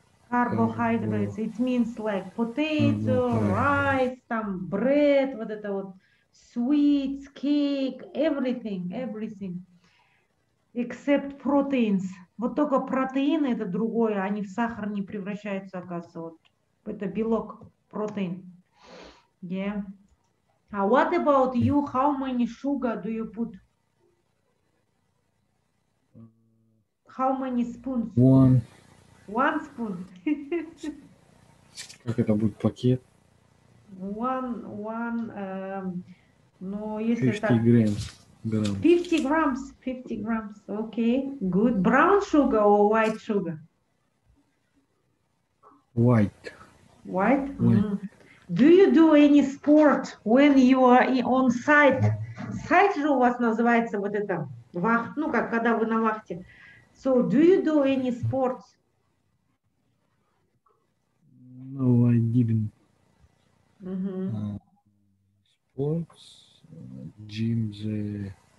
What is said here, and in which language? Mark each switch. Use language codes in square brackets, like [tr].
[en] Carbohydrates, it means like potato, rice, там bread, [ru] вот это вот, [en] sweets, cake, everything, except proteins. [ru] Вот только протеины, это другое, они в сахар не превращаются, оказывается, вот, это белок, protein. [en] Yeah. What about you, how many sugar do you put? How many spoons? One spoon. [ru] Как это будет пакет? Но если 50 так. [en] Fifty grams. Okay, good. Brown sugar or white sugar? White. Mm. Do you do any sport when you are on site? [ru] Site же у вас называется вот это вахт. Ну как когда вы на вахте. [en] So do you do any sports? No, I didn't. Mm-hmm. Sports, gym, the.